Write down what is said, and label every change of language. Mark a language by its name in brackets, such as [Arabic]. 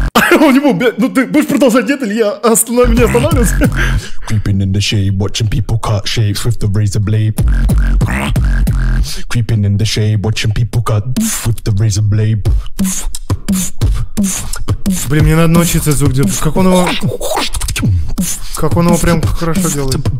[Russian] Ну ты будешь продолжать, нет, или я останови, не останавливаюсь? [English] Creeping in the shade, watching people cut shapes with the razor blade. Creeping in the shade, watching people cut with the razor blade. [Russian] Блин, мне надо научиться звук делать. Как он его прям хорошо делает.